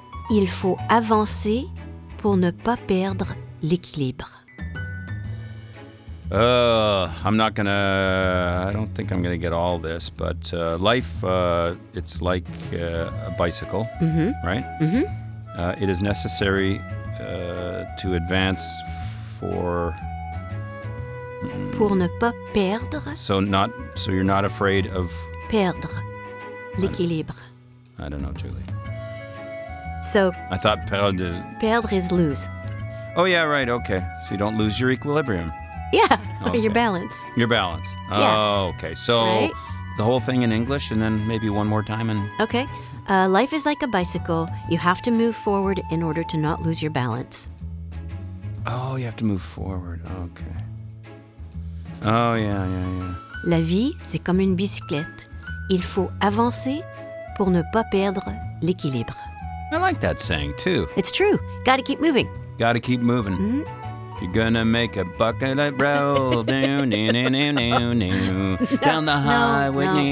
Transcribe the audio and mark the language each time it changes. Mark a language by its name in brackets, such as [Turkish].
[French] Il faut avancer pour ne pas perdre l'équilibre. [English] I don't think I'm going to get all this, but life, it's like a bicycle, right? Mm-hmm. It is necessary to advance for... [French] Pour ne pas perdre. [English] So you're not afraid of... [French] Perdre l'équilibre. [English] I don't know, Julie. So... I thought perdre... Perdre is lose. Oh, yeah, right, okay. So you don't lose your equilibrium. Yeah, okay. Your balance. Your balance. Yeah. Oh, okay. So the whole thing in English and then maybe one more time and... Okay. Life is like a bicycle. You have to move forward in order to not lose your balance. Oh, you have to move forward. Okay. Oh, yeah. [French] La vie, c'est comme une bicyclette. Il faut avancer pour ne pas perdre l'équilibre. [English] I like that saying, too. It's true. Gotta keep moving. Gotta keep moving. Mm-hmm. You're gonna make a bucket of roll down the highway.